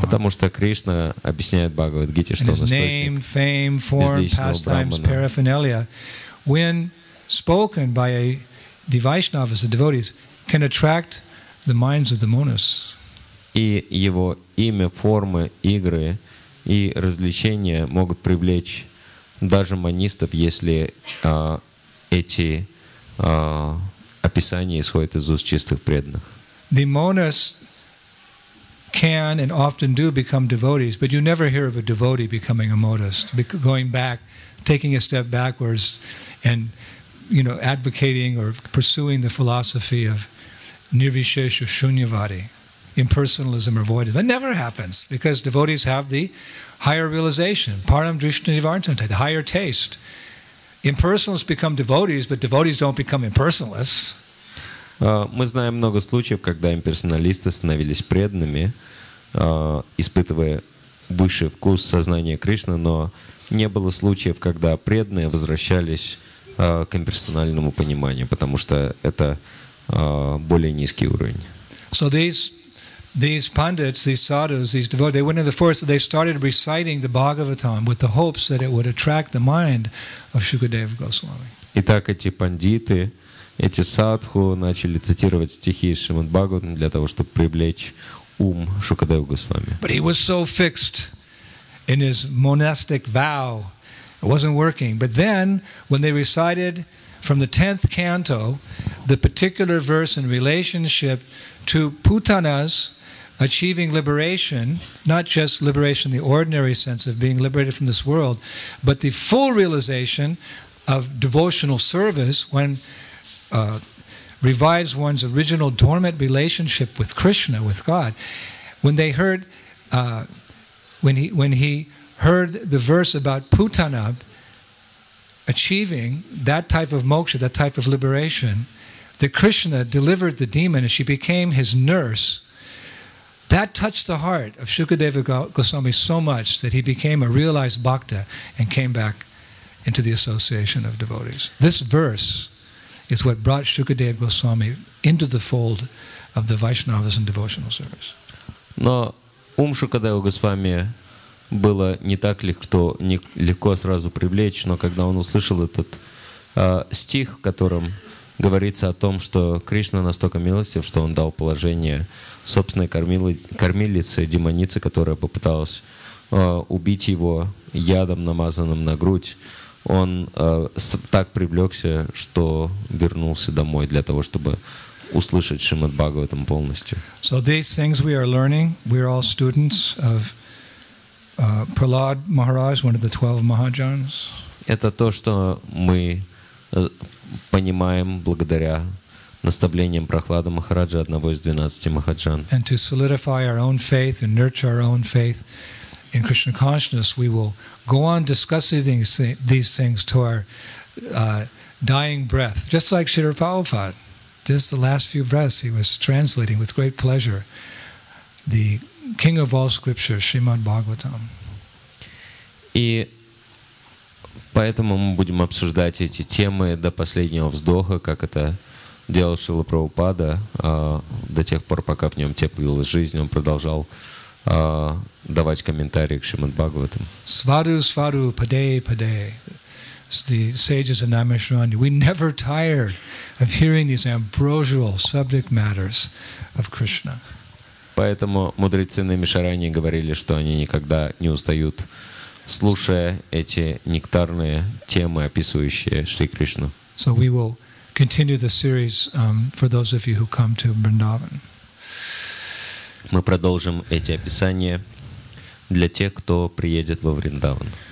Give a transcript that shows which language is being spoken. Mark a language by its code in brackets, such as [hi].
[ru] Потому что Кришна объясняет в Бхагавад-гите, что он источник безличного Брахмана. [en] When spoken by a Vaishnavas, the devotees, can attract the minds of the monists. [ru] И его имя, формы, игры и развлечения могут привлечь даже монистов, если эти описания исходят из уст чистых преданных. [en] The monists can and often do become devotees, but you never hear of a devotee becoming a monist, going back, taking a step backwards, and, you know, advocating or pursuing the philosophy of nirvishesha shunyavadi, impersonalism or voidism. It never happens because devotees have the higher realization, param drishti nivartante, the higher taste. Impersonalists become devotees, but devotees don't become impersonalists. [ru] Мы знаем много случаев, когда имперсоналисты становились преданными, испытывая высший вкус сознания Кришны, но не было случаев, когда преданные возвращались к имперсональному пониманию, потому что это более низкий уровень. [en] So these pandits, these sadhus, these devotees, they went in the forest, they started reciting the Bhagavatam with the hopes that it would attract the mind of Shukadeva Goswami. [ru] Итак, эти пандиты, эти садху начали цитировать стихи из Шримад Бхагаватам для того, чтобы привлечь ум Шукадева Госвами. [en] But he was so fixed in his monastic vow. It wasn't working. But then, when they recited from the 10th canto, the particular verse in relationship to putanas achieving liberation, not just liberation in the ordinary sense of being liberated from this world, but the full realization of devotional service when revives one's original dormant relationship with Krishna, with God. When they heard, when he heard the verse about putana achieving that type of moksha, that type of liberation, that Krishna delivered the demon and she became his nurse, That touched the heart of Shukadeva Goswami so much that he became a realized bhakta and came back into the association of devotees. This verse is what brought Shukadeva Goswami into the fold of the Vaishnavas and devotional service. [ru] Но ум Шукадева Госвами было не так легко, не легко сразу привлечь, но когда он услышал этот стих, в котором говорится о том, что Кришна настолько милостив, что он дал положение собственной кормилице, демонице, которая попыталась убить его ядом, намазанным на грудь, он так привлекся, что вернулся домой для того, чтобы услышать Шримад Бхагаватам полностью. [en] So these things we are learning, we are all students of Prahlad Maharaj, one of the 12 Mahajans. [ru] Это то, что мы понимаем благодаря наставлениям Прахлада Махараджа, одного из 12 Махаджан. [en] And to solidify our own faith and nurture our own faith in Krishna consciousness, we will go on discussing these things to our dying breath, just like Srila Prabhupada. Just the last few breaths, he was translating with great pleasure the king of all scriptures, Srimad Bhagavatam. [ru] И поэтому мы будем обсуждать эти темы до последнего вздоха, как это делал Шрила Прабхупада, до тех пор, пока в нем теплилась жизнь, он продолжал давать комментарии к Шримад Бхагаватам. [sa] Свару, свару, падей, падей. [en] The sages of Namishrani, we never tire of hearing these ambrosial subject matters of Krishna. [ru] Поэтому мудрецы Намишарани говорили, что они никогда не устают, слушая эти нектарные темы, описывающие Шри Кришну. [en] So we will continue the series for those of you who come to Vrindavan. [ru] Мы продолжим эти описания для тех, кто приедет во Вриндаван.